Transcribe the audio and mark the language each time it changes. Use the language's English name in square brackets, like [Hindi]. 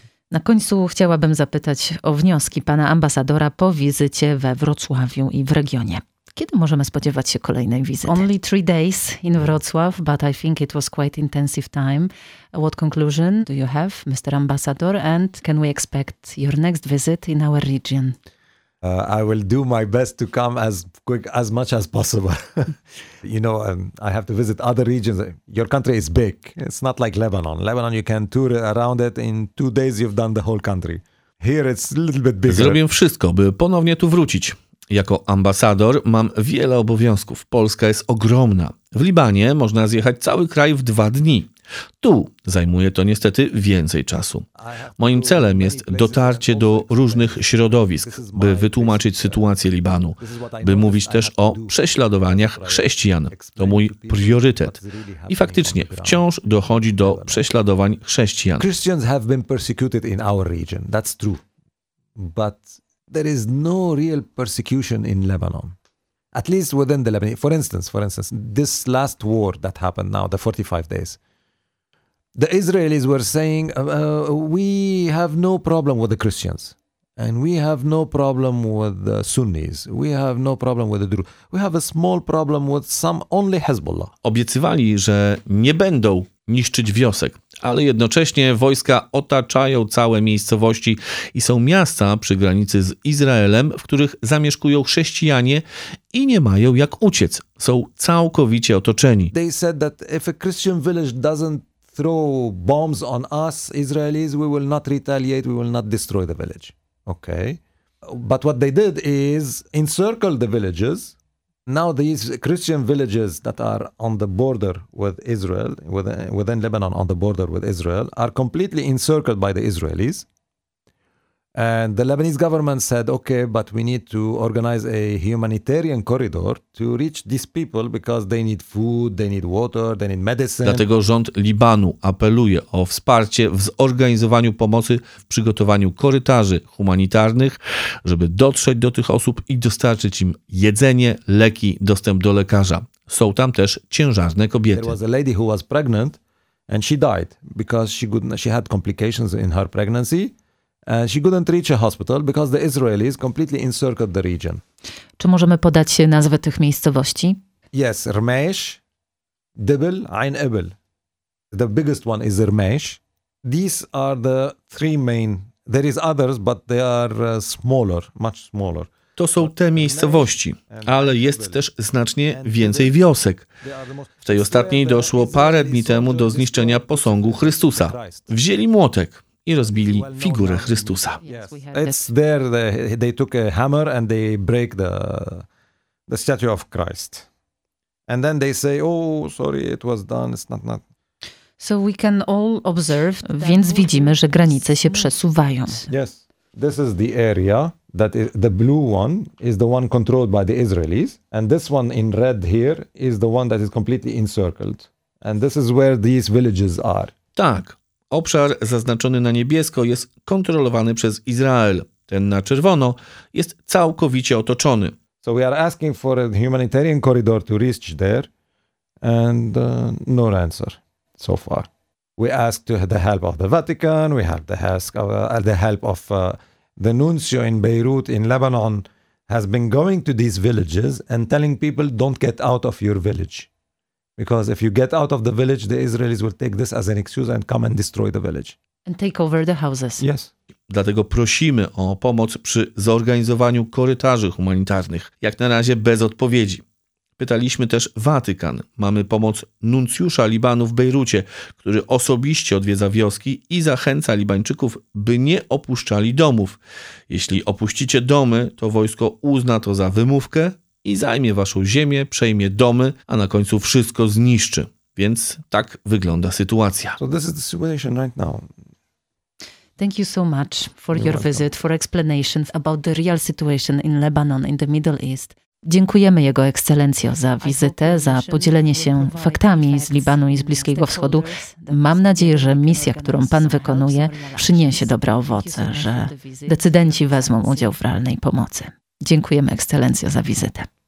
[Polish] Na końcu chciałabym zapytać o wnioski pana ambasadora po wizycie we Wrocławiu i w regionie. Kiedy możemy spodziewać się kolejnej wizyty? [English] Only 3 days in Wrocław, but I think it was quite intensive time. What conclusion do you have, Mr. Ambassador, and can we expect your next visit in our region? I will do my best to come as quick, as much as possible. You know, I have to visit other regions. Your country is big. It's not like Lebanon. Lebanon, you can tour around it. In 2 days, you've done the whole country. Here, it's a little bit bigger. [Polish] Zrobię wszystko, by ponownie tu wrócić. Jako ambasador mam wiele obowiązków. Polska jest ogromna. W Libanie można zjechać cały kraj w 2 dni. Tu zajmuje to niestety więcej czasu. Moim celem jest dotarcie do różnych środowisk, by wytłumaczyć sytuację Libanu, by mówić też o prześladowaniach chrześcijan. To mój priorytet. I faktycznie wciąż dochodzi do prześladowań chrześcijan. [English] Christians have been persecuted in our region. That's true. But there is no real persecution in Lebanon. At least within the Lebanon. For instance, this last war that happened now, the 45 days. The Israelis were saying, we have no problem with the Christians. And we have no problem with the Sunnis. We have no problem with the Druze. We have a small problem with some only Hezbollah. [Polish] Obiecywali, że nie będą niszczyć wiosek, ale jednocześnie wojska otaczają całe miejscowości i są miasta przy granicy z Izraelem, w których zamieszkują chrześcijanie i nie mają jak uciec. Są całkowicie otoczeni. [English] They said that if a Christian village doesn't throw bombs on us Israelis, we will not retaliate, we will not destroy the village. Okay. But what they did is encircle the villages. Now these Christian villages that are on the border with Israel, within Lebanon on the border with Israel, are completely encircled by the Israelis. And the Lebanese government said, okay, but we need to organize a humanitarian corridor to reach these people because they need food, they need water, they need medicine. [Polish] Dlatego rząd Libanu apeluje o wsparcie w zorganizowaniu pomocy w przygotowaniu korytarzy humanitarnych, żeby dotrzeć do tych osób i dostarczyć im jedzenie, leki, dostęp do lekarza. Są tam też ciężarne kobiety. [English] There was a lady who was pregnant and she died because she had complications in her pregnancy. She couldn't reach a hospital because the Israelis completely encircled the region. [Polish] Czy możemy podać się nazwę tych miejscowości? [English] Yes, Rmesh, Dibel, Ain Ebel. The biggest one is Rmesh. These are the 3 main. There is others, but they are smaller, much smaller. [Polish] To są te miejscowości, ale jest też znacznie więcej wiosek. W tej ostatniej doszło parę dni temu do zniszczenia posągu Chrystusa. Wzięli młotek i rozbili figurę Chrystusa. [English] It's there they took a hammer and they break the statue of Christ. And then they say, oh, sorry, it was done, it's not. So we can all observe, [Polish] więc widzimy, że granice się przesuwają. [English] Yes, this is the area that is, the blue one is the one controlled by the Israelis. And this one in red here is the one that is completely encircled. And this is where these villages are. [Polish] Tak. Obszar zaznaczony na niebiesko jest kontrolowany przez Izrael. Ten na czerwono jest całkowicie otoczony. [English] So we are asking for a humanitarian corridor to reach there and no answer so far. We ask to have the help of the Vatican, we have the help of the nuncio in Beirut in Lebanon has been going to these villages and telling people don't get out of your village. Because if you get out of the village, the Israelis will take this as an excuse and come and destroy the village. And take over the houses. Yes. [Polish] Dlatego prosimy o pomoc przy zorganizowaniu korytarzy humanitarnych. Jak na razie bez odpowiedzi. Pytaliśmy też Watykan. Mamy pomoc nuncjusza Libanu w Bejrucie, który osobiście odwiedza wioski i zachęca Libańczyków, by nie opuszczali domów. Jeśli opuścicie domy, to wojsko uzna to za wymówkę i zajmie waszą ziemię, przejmie domy, a na końcu wszystko zniszczy. Więc tak wygląda sytuacja. [English] So this is the situation right now. Thank you so much for your visit, for explanations about the real situation in Lebanon, in the Middle East. [Polish] Dziękujemy Jego Ekscelencjo za wizytę, za podzielenie się faktami z Libanu i z Bliskiego Wschodu. Mam nadzieję, że misja, którą Pan wykonuje, przyniesie dobre owoce, że decydenci wezmą udział w realnej pomocy. Dziękujemy Ekscelencjo za wizytę.